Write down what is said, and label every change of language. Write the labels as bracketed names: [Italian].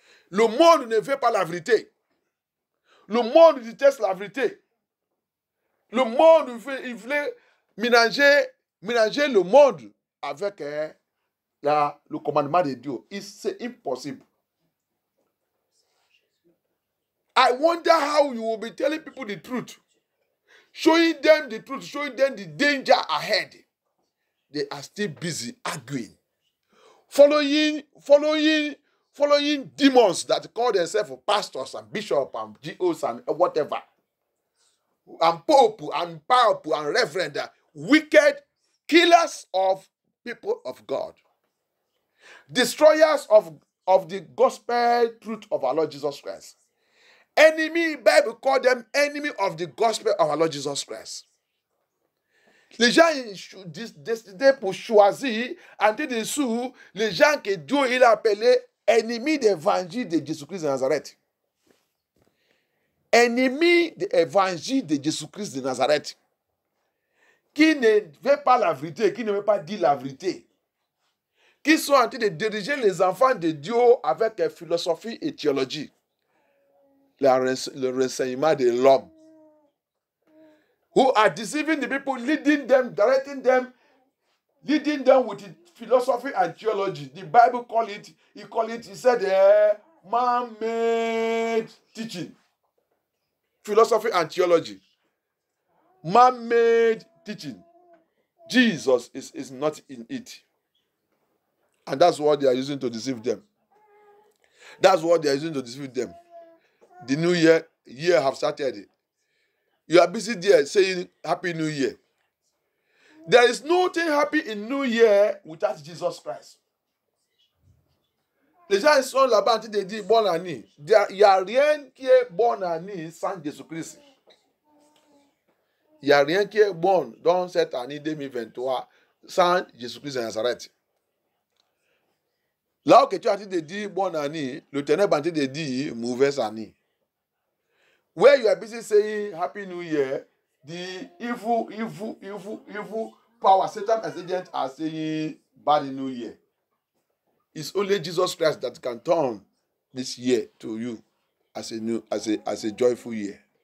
[French] Le monde ne veut pas la vérité. Le monde déteste la vérité. Le monde veut mélanger le monde avec le commandement de Dieu. C'est impossible. [English] I wonder how you will be telling people the truth. Showing them the truth, showing them the danger ahead. They are still busy arguing. Following demons that call themselves pastors and bishops and GOs and whatever. And pope and power and reverend. Wicked killers of people of God. Destroyers of the gospel truth of our Lord Jesus Christ. Enemy, Bible call them enemy of the gospel of our Lord Jesus Christ. [French] Les gens décidaient pour choisir, en tête de sous, les gens que Dieu il a appelé ennemi de l'évangile de Jésus-Christ de Nazareth. Ennemi de l'évangile de Jésus-Christ de Nazareth. Qui ne veut pas la vérité, qui ne veut pas dire la vérité. Qui sont en train de diriger les enfants de Dieu avec philosophie et théologie. Le renseignement de l'homme. [English] Who are deceiving the people, leading them, directing them, leading them with philosophy and theology. The Bible called it, he said, man-made teaching. Philosophy and theology. Man-made teaching. Jesus is not in it. And that's what they are using to deceive them. The new year have started. You are busy there saying Happy New Year. There is nothing happy in New Year without Jesus Christ. [French] Les gens sont là-bas en train de dire bonne année. Il n'y a rien qui est bonne année sans Jésus-Christ. Il n'y a rien qui est bon dans cette année 2023 sans Jésus-Christ de Nazareth. Là où tu as dit bonne année, le ténèbre en train de dire mauvaise année. [English] Where you are busy saying Happy New Year, the evil power, Satan as agent are saying Bad New Year. It's only Jesus Christ that can turn this year to you as a joyful year.